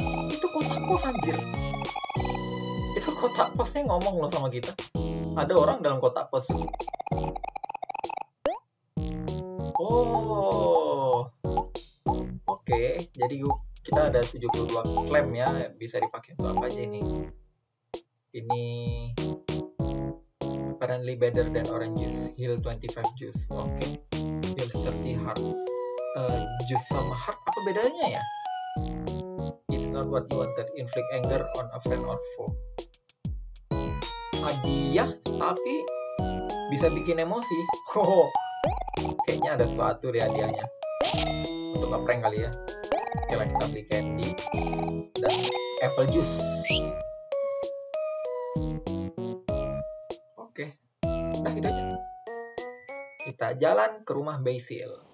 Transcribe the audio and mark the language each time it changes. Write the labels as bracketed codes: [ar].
[id] Itu kotak pos anjir. Itu kotak posnya ngomong loh sama kita. Ada orang dalam kotak pos. Oh, oke. Okay. Jadi Kita ada 72 klaim ya, bisa dipakai untuk apa aja ini. [en] Ini apparently better than orange juice, heal 25 juice. [id] Oke. Okay. [en] Heal 30 heart. [id] Juice sama heart apa bedanya ya? [en] It's not what you wanted, inflict anger on a friend or foe. [id] Hadiah tapi bisa bikin emosi. Oh, kayaknya ada sesuatu di hadiahnya. Untuk ngeprank kali ya. Oke lah, kita beli candy dan apple juice. Oke, nah itu aja. Kita jalan ke rumah Basil.